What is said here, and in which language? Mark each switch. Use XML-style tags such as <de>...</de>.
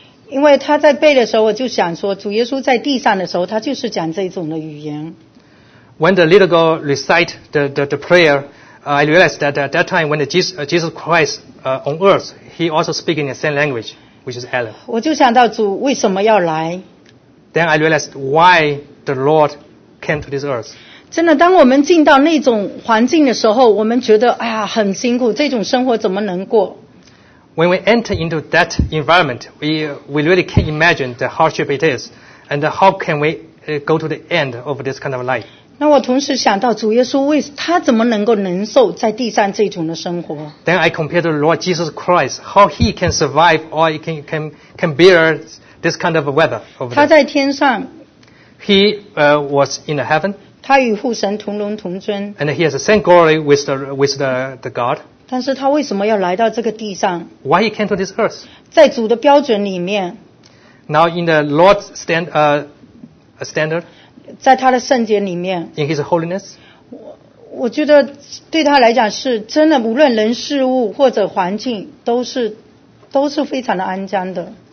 <zh>因为他在背的时候我就想说主耶稣在地上的时候他就是讲这种的语言</zh> <en>When the little girl recite the prayer I realized that at that time when Jesus Christ on earth he also speaking the same language which is Helen</en> <zh>我就想到主为什么要来</zh> <en>Then I realized why the Lord came to this earth</en> <zh>真的当我们进到那种环境的时候我们觉得哎呀很辛苦这种生活怎么能过</zh> <en>When we enter into that environment, we really can't imagine the hardship it is, and how can we go to the end of this kind of life.</en> <zh>那我同时想到主耶稣为他怎么能够忍受在地上这种的生活。</zh> <en>Then I compare to the Lord Jesus Christ, how he can survive or he can bear this kind of weather.</en> <zh>他在天上。</zh> <en>He was in the heaven.</en> <zh>他与父神同荣同尊。</zh> <en>And he has the same glory with the God.</en> <zh>但是他为什么要来到这个地上？</zh> <en>Why he came to this earth?</en> <zh>在主的标准里面。</zh> <en>Now in the Lord's standard.</en> <zh>在他的圣洁里面</zh> <en>In his holiness</en> <zh>我觉得对他来讲是真的无论人事物或者环境都是非常的安详的</zh>